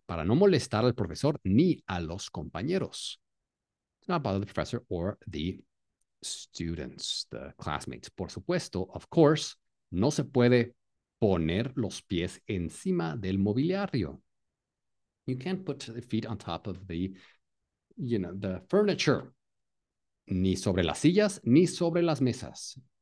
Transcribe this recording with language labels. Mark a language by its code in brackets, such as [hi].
[es] Para no molestar al profesor ni a los compañeros. [en] To not bother the professor or the students, the classmates. [es] Por supuesto, [en] of course, [es] no se puede poner los pies encima del mobiliario. [en] You can't put the feet on top of the, you know, the furniture. [es] Ni sobre las sillas, ni sobre las mesas.